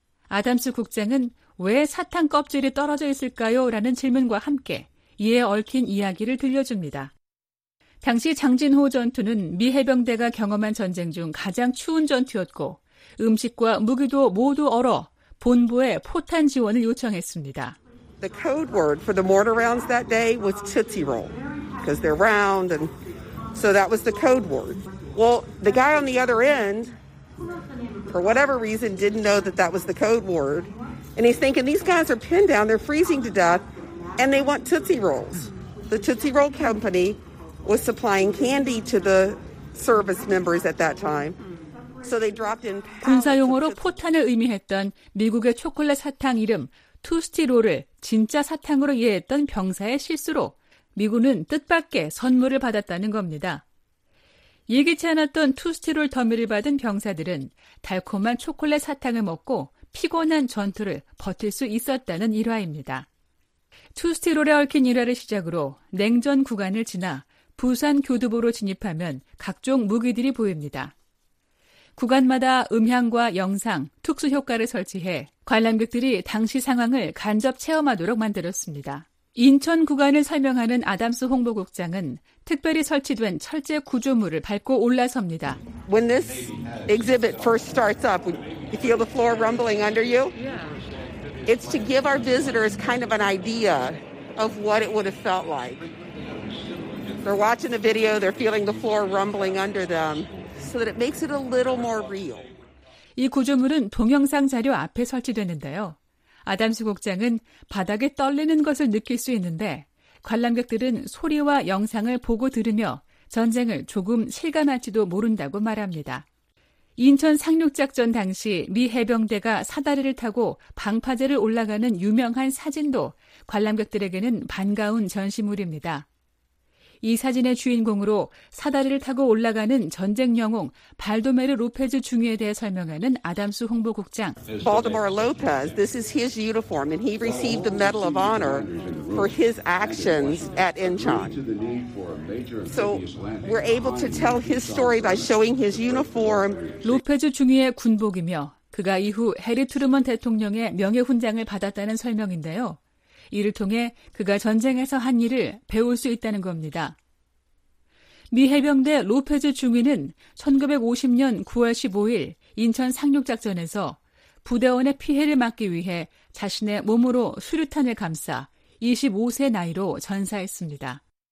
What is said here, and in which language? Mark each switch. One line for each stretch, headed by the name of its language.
Korean: 아담스 국장은 왜 사탕 껍질이 떨어져 있을까요? 라는 질문과 함께 이에 얽힌 이야기를 들려줍니다. 당시 장진호 전투는 미 해병대가 경험한 전쟁 중 가장 추운 전투였고 음식과 무기도 모두 얼어 본부에 포탄 지원을 요청했습니다.
English: The code word for the mortar rounds that day was Tootsie Roll because they're round and so that was the code word. Well, the guy on the other end for whatever reason didn't know that that was the code word and he's thinking these guys are pinned down, they're freezing to death and they want Tootsie Rolls. The Tootsie Roll company was supplying candy to the service members at that time. So they dropped in
Korean: 군사용어로 포탄을 의미했던 미국의 초콜릿 사탕 이름 투스티롤을 진짜 사탕으로 이해했던 병사의 실수로 미군은 뜻밖의 선물을 받았다는 겁니다. 예기치 않았던 투스티롤 더미를 받은 병사들은 달콤한 초콜릿 사탕을 먹고 피곤한 전투를 버틸 수 있었다는 일화입니다. 투스티롤에 얽힌 일화를 시작으로 냉전 구간을 지나 부산 교두보로 진입하면 각종 무기들이 보입니다. 구간마다 음향과 영상, 특수효과를 설치해 관람객들이 당시 상황을 간접 체험하도록 만들었습니다. 인천 구간을 설명하는 아담스 홍보국장은 특별히 설치된 철제 구조물을 밟고 올라섭니다.
English: When this exhibit first starts up, you feel the floor rumbling under you? It's to give our visitors kind of an idea of what it would have felt like. They're watching the video, they're feeling the floor rumbling under them. So that it makes it a little more real.
Korean: 이 구조물은 동영상 자료 앞에 설치되는데요. 아담스 국장은 바닥에 떨리는 것을 느낄 수 있는데 관람객들은 소리와 영상을 보고 들으며 전쟁을 조금 실감할지도 모른다고 말합니다. 인천 상륙작전 당시 미 해병대가 사다리를 타고 방파제를 올라가는 유명한 사진도 관람객들에게는 반가운 전시물입니다. 이 사진의 주인공으로 사다리를 타고 올라가는 전쟁 영웅 발도메르 로페즈 중위에 대해 설명하는 아담스 홍보국장.
English: Baldomero Lopez, this is his uniform and he received the Medal of Honor for his actions at Incheon. So we're able to tell his story by showing his uniform.
Korean: 로페즈 중위의 군복이며 그가 이후 해리 트루먼 대통령의 명예훈장을 받았다는 설명인데요. 이를 통해 그가 전쟁에서 한 일을 배울 수 있다는 겁니다. 미 해병대 로페즈 중위는 1950년 9월 15일 인천 상륙작전에서 부대원의 피해를 막기 위해 자신의 몸으로 수류탄을 감싸 25세 나이로 전사했습니다.